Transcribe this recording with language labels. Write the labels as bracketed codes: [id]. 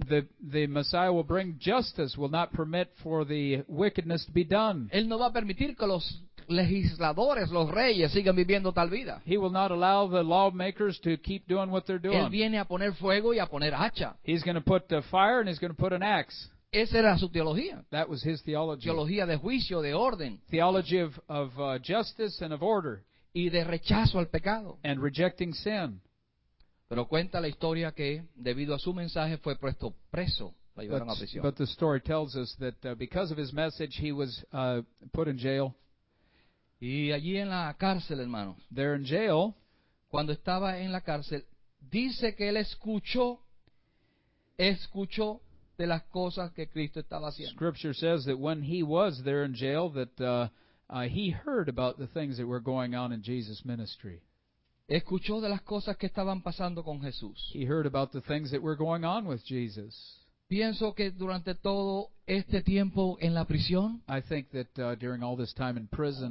[en] The Messiah will bring justice, will not permit for the wickedness to be done. [es] Él no va a permitir que los legisladores, los reyes, sigan viviendo tal vida. [en] He will not allow the lawmakers to keep doing what they're doing. [es] Él viene a poner fuego y a poner hacha. [en] He's going to put the fire and he's going to put an axe. [es] Esa era su teología. [en] That was his theology. [es] Teología de juicio, de orden. [en] Theology of justice and of order. [es] Y de rechazo al pecado. [en] And rejecting sin. [es] Pero cuenta la historia que debido a su mensaje fue puesto preso. [en] But the story tells us that because of his message he was put in jail. [es] Y allí en la cárcel, hermano. [en] There in jail, [es] cuando estaba en la cárcel, dice que él escuchó de las cosas que Cristo estaba haciendo. [en] Scripture says that when he was there in jail, that he heard about the things that were going on in Jesus' ministry. [es] Escuchó de las cosas que estaban pasando con Jesús. [en] He heard about the things that were going on with Jesus. [es] Pienso que durante todo este tiempo en la prisión, [en] I think that during all this time in prison,